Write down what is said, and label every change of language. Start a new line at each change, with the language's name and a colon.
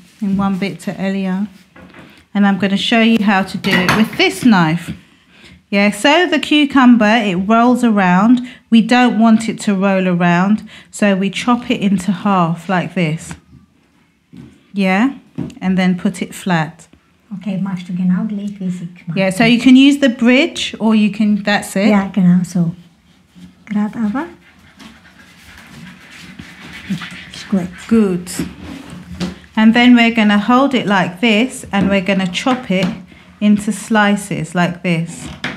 English: in one bit to Elia. And I'm going to show you how to do it with this knife. Yeah, so the cucumber, it rolls around. We don't want it to roll around, so we chop it into half like this. Yeah, and then put it flat.
German: Okay, machst du genau gleich wie sie gemacht.
English: Yeah, so you can use the bridge or you can, that's it.
German: Yeah, genau so. Grad aber.
English: Good. Good. And then we're going to hold it like this and we're going to chop it into slices like this.